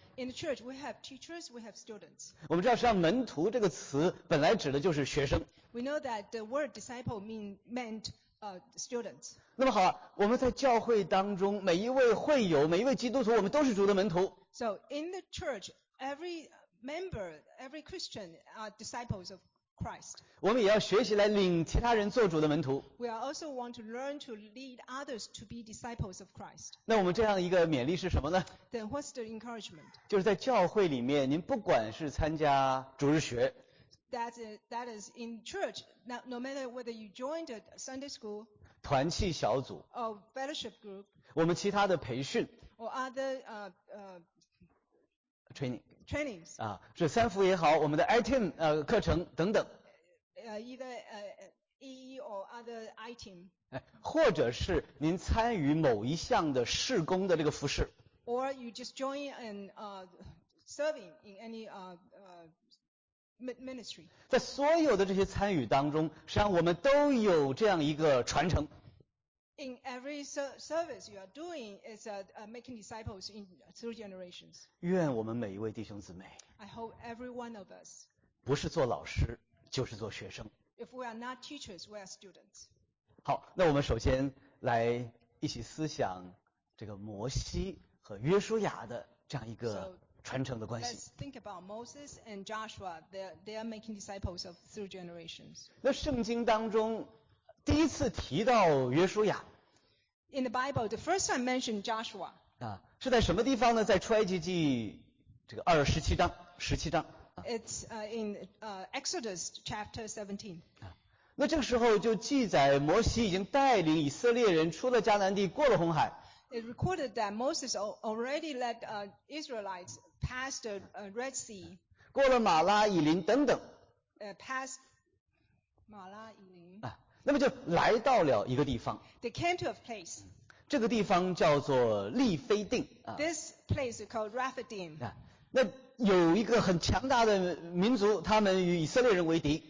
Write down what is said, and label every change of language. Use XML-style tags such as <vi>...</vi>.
<en>In the church, we have teachers, we have students.</en> <zh>我们知道实际上门徒这个词本来指的就是学生。</zh> <en>We know that the word disciple meant students.</en> <zh>那么好我们在教会当中每一位会友每一位基督徒我们都是主的门徒。</zh> <en>So, in the church, every member, every Christian are disciples of Christ.</en> <zh>我们也要学习来领其他人做主的门徒。</zh> <en>We also want to learn to lead others to be disciples of Christ.</en> <zh>那我们这样一个勉励是什么呢？</zh> <en>Then what's the encouragement?</en> <zh>就是在教会里面，您不管是参加主日学。</zh> <en>That is in church. No matter whether you joined a Sunday school.</en> <zh>团契小组</zh> <en>fellowship group,</en> <zh>我们其他的培训</zh> <en>or other,</en> <zh>trainings, 啊，是三福也好，我们的 iTeam 课程等等</zh> <en>either EE or other iTeam,</en> <zh>或者是您参与某一项的事工的这个服事</zh> <en>or you just join and serving in any ministry.</en> <zh>在所有的这些参与当中，实际上我们都有这样一个传承。</zh> <en>In every service you are doing is making disciples in through generations.</en> <zh>愿我们每一位弟兄姊妹。</zh> <en>I hope every one of us.</en> <zh>不是做老师，就是做学生。</zh> <en>If we are not teachers, we are students.</en> <zh>好，那我们首先来一起思想这个摩西和约书亚的这样一个。传承的关系。</zh> <en>Let's think about Moses and Joshua. They are making disciples of through generations.</en> <zh>那圣经当中第一次提到约书亚。</zh> <en>In the Bible, the first time mentioned Joshua.</en> <zh>啊，是在什么地方呢？在出埃及记这个二十七章，十七章。</zh> <en>It's in Exodus chapter 17.</en> <zh>啊，那这个时候就记载摩西已经带领以色列人出了迦南地，过了红海。</zh> <en>It recorded that Moses already led Israelites past the Red Sea.</en> <zh>过了马拉以林等等。</zh> <en>Past 马拉以林。</en> <zh>啊，那么就来到了一个地方。</zh> <en>They came to a place.</en> <zh>这个地方叫做利非定。</zh> <en>This place is called Rephidim.</en> <zh>啊，那有一个很强大的民族，他们与以色列人为敌。</zh>